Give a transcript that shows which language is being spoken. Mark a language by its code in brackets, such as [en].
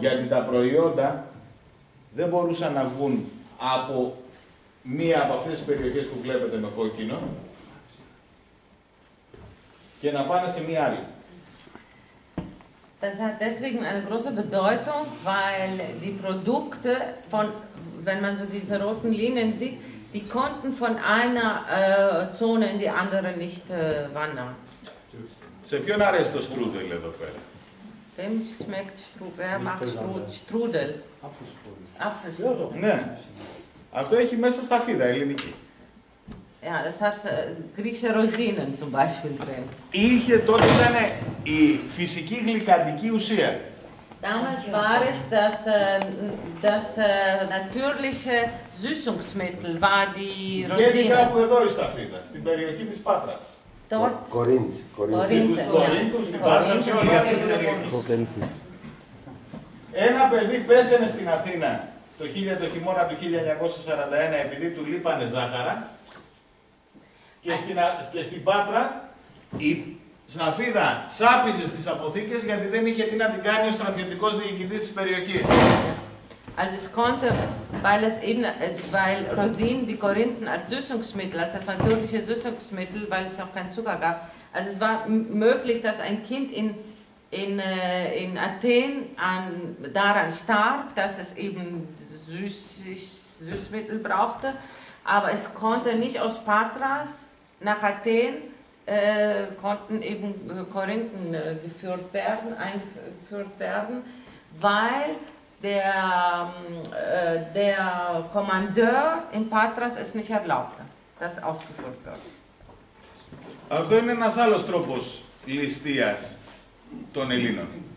[el] Γιατί τα προϊόντα δεν μπορούσαν να βγουν από μία από αυτές τις περιοχές που βλέπετε με κόκκινο και να πάνε σε μία άλλη. [de] Das hat deswegen eine große Bedeutung, weil die Produkte von, wenn man so diese roten Linien sieht, die konnten von einer Zone in die andere nicht wandern. [el] Σε ποιον αρέσει το στρούδελ εδώ πέρα? [de] Wem schmeckt Strudel? Wer macht Strudel? Apfelstrudel. [el] Ναι. Αυτό έχει μέσα σταφίδα ελληνική. [de] Ja, das hat griechische Rosinen zum Beispiel drin. [el] Είχε τότε ήταν η φυσική γλυκαντική ουσία. [de] Damals war es das, das natürliche Süßungsmittel, war die Rosine. [el] Γιατί κάπου εδώ η σταφίδα, στην περιοχή της Πάτρας. [de] Dort. Corinth. Corinth. Corinth. [el] Ένα παιδί πέθανε στην Αθήνα το χειμώνα του 1941 επειδή του λείπανε ζάχαρα. Και στην Πάτρα η σναφίδα σάπιζε στις αποθήκες γιατί δεν είχε τι να την κάνει ο στρατιωτικός διοικητής της περιοχής. [de] Also es konnte, weil es eben, weil Rosinen die Korinthen als Süßungsmittel, als das natürliche Süßungsmittel, weil es auch keinen Zucker gab. Also es war möglich, dass ein Kind in Athen daran starb, dass es eben Süßmittel brauchte. Aber es konnte nicht aus Patras nach Athen, konnten eben Korinthen geführt werden, eingeführt werden, weil der Kommandeur in Patras es nicht erlaubte, dass ausgeführt wird. [el] Αυτό είναι ένας άλλος τρόπος ληστείας των Ελλήνων.